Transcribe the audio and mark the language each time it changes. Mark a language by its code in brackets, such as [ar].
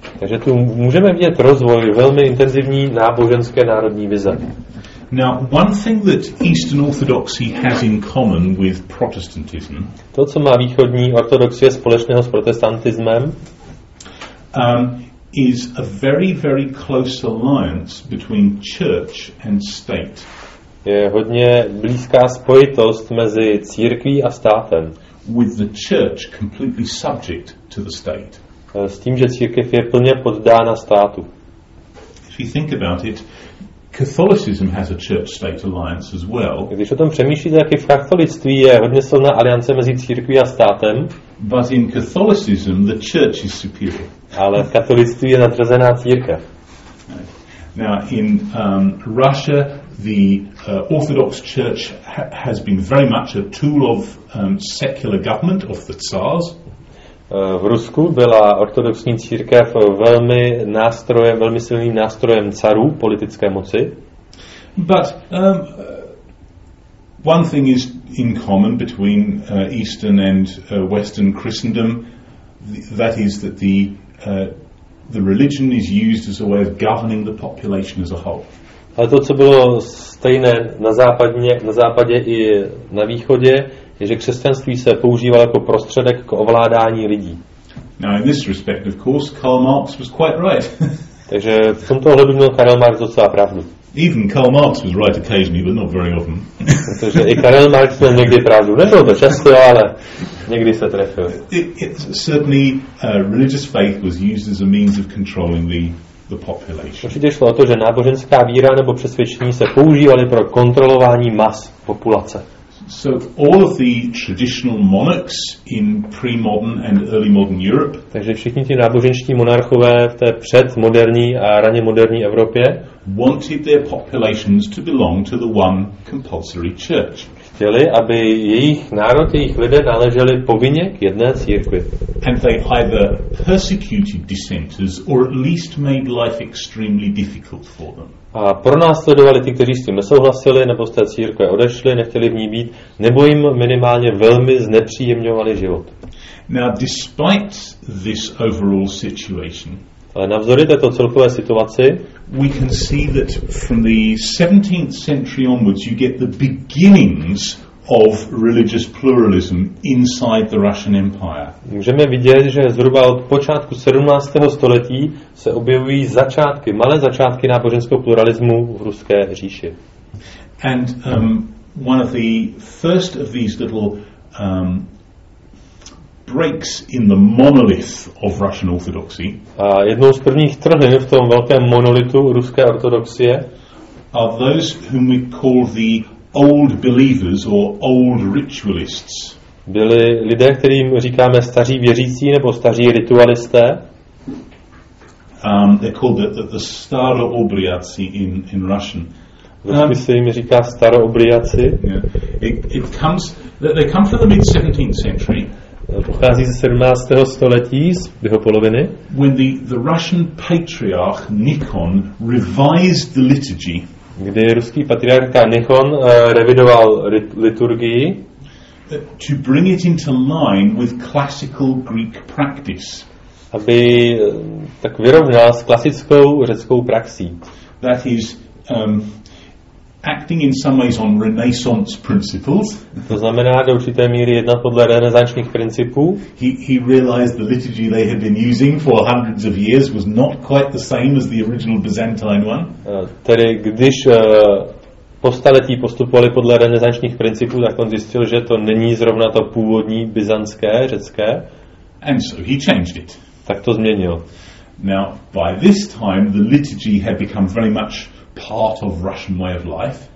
[cs] Takže tu můžeme vidět rozvoj velmi intenzivní náboženské národní vize. [en] Now, one thing that Eastern Orthodoxy has in common with Protestantism. [cs] To, co má východní ortodoxie společného s protestantismem, [en] is a very, very close alliance between church and state. [cs] Je hodně blízká spojitost mezi církví a státem. [en] With the church completely subject to the state. [cs] s tím, že církev je plně poddána státu. [en] If you think about it, Catholicism has a church-state alliance as well. [cs] Když o tom přemýšlíte, tak i v katolictví je hodně silná aliance mezi církví a státem. [en] But in Catholicism, the church is superior. [cs] Ale v katolictví je nadřazená církev. [en] Now in Russia, the Orthodox Church has been very much a tool of secular government of the Tsars. [cs] V Rusku byla ortodoxní církev velmi nástrojem, velmi silným nástrojem carů politické moci. [en] But one thing is in common between Eastern and Western Christendom, that is that the religion is used as a way of governing the population as a whole. [cs] Ale to, co bylo stejné na západě i na východě, je, že křesťanství se používalo jako prostředek k ovládání lidí. [en] Now in this respect, of course, Karl Marx was quite right. [cs] Takže v tomto ohledu měl Karel Marx docela pravdu. [en] Even Karl Marx was right occasionally, but not very often. [cs] Protože i Karel Marx měl někdy pravdu. Nebylo to často, ale někdy se trefil. [en] Certainly, religious faith was used as a means of controlling the population. [cs] Určitě šlo o to, že náboženská víra nebo přesvědčení se používaly pro kontrolování mas populace. [en] So all of the traditional monarchs in pre-modern and early modern Europe. [cs] Takže všichni ti náboženští monarchové v té předmoderní a raně moderní Evropě [en] wanted their populations to belong to the one compulsory church. [cs] Chtěli, aby jejich národ, jejich lidé náleželi povinně k jedné církvi. [en] And they either persecuted dissenters or at least made life extremely difficult for them. [cs] A pronásledovali ty, kteří s tím nesouhlasili, nebo z té církve odešli, nechtěli v ní být, nebo jim minimálně velmi znepříjemňovali život. [en] Now, despite this overall situation, [cs] ale navzdory této celkové situaci, [en] we can see that from the 17th century onwards you get the beginnings of religious pluralism inside the Russian Empire. [cs] Můžeme vidět, že zhruba od počátku 17. století se objevují začátky, malé začátky náboženského pluralismu v ruské říši. [en] And one of the first of these little breaks in the monolith of Russian orthodoxy. [cs] A jednou z prvních trhlin v tom velkém monolitu ruské ortodoxie [en] are those whom we call the old believers or old ritualists. [cs] Byli lidé, kterým říkáme staří věřící nebo staří ritualisté. [en] They're called the staroobliaci in Russian. [cs] Rusky se jim říká staroobliaci. [en] Yeah. They come from the mid 17th century. [cs] Pochází ze 17. století, z jeho poloviny. [en] When the Russian patriarch Nikon revised the liturgy. [cs] Kdy ruský patriarcha Nikon revidoval liturgii, [en] to bring it into line with classical Greek practice, [cs] aby tak vyrovnal s klasickou řeckou praxí. [en] That is acting in some ways on Renaissance principles. [cs] To znamená, do určité míry jednat podle renesančních principů. [en] He realized the liturgy they had been using for hundreds of years was not quite the same as the original Byzantine one. [cs] Tedy když po staletí postupovali podle renesančních principů, tak on zjistil, že to není zrovna to původní byzantské, řecké. [en] And so he changed it. [cs] Tak to změnil. [en] Now, by this time the liturgy had become very much part of Russian way of life.